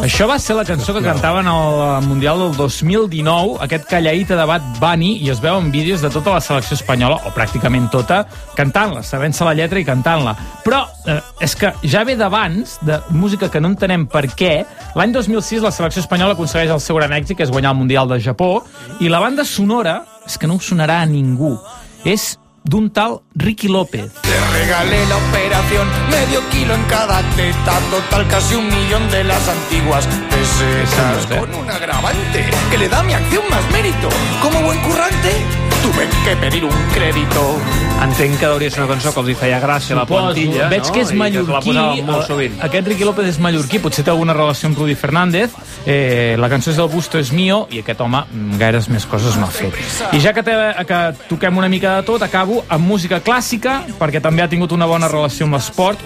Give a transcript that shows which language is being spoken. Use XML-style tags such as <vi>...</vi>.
<ca>Això va ser la cançó que cantaven al Mundial del 2019, aquest calladita de Bad Bunny, i es veuen vídeos de tota la selecció espanyola, o pràcticament tota, cantant-la, sabent-se la lletra i cantant-la. Però és que ja ve d'abans, de música que no entenem per què, l'any 2006 la selecció espanyola aconsegueix el seu gran èxit, que és guanyar el Mundial de Japó, i la banda sonora és que no us sonarà a ningú. És d'un tal Ricky López.</ca> <es>Te regalé la operación, medio kilo en cada teta, total casi un millón de las antiguas pesetas, con un agravante que le da a mi acción más mérito. Como buen currante, tuve que pedir un crédito.</es> <ca>Entenc que hauria de ser una cançó que els feia gràcia, la plantilla. Veig que és mallorquí. Aquest Ricky López és mallorquí, potser té alguna relació amb Rudy Fernández. La cançó és El busto es mío, i aquest home gaires més coses no ha fet. I ja que toquem una mica de tot, acabo amb música clàssica, perquè també ha tingut una bona relació amb l'esport.</ca>